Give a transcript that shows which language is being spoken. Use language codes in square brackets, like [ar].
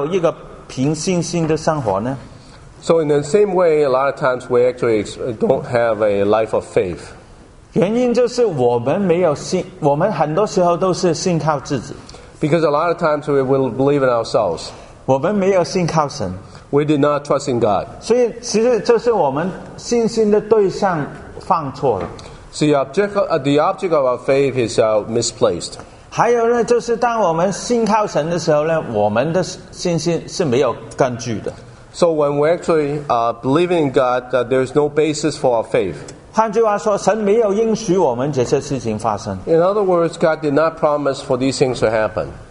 [zh] 所以讲完英文不知道现在讲什么。同样，为什么我们大部分时间呢是没有经验到一个凭信心的生活呢？ [en] So in the same way, a lot of times we actually don't have a life of faith. [zh] 原因就是我们没有信，我们很多时候都是信靠自己。 [en] Because a lot of times we will believe in ourselves. [zh] 我们没有信靠神。 [en] We did not trust in God. [zh] 所以其实就是我们信心的对象放错了。 [en] See, the object of our faith is misplaced. [zh] 还有呢，就是当我们信靠神的时候呢，我们的信心是没有根据的。 [en] So when we actually believe in God, there is no basis for our faith. [zh] 换句话说，神没有应许我们这些事情发生。 [en] In other words, God did not promise for these things to happen.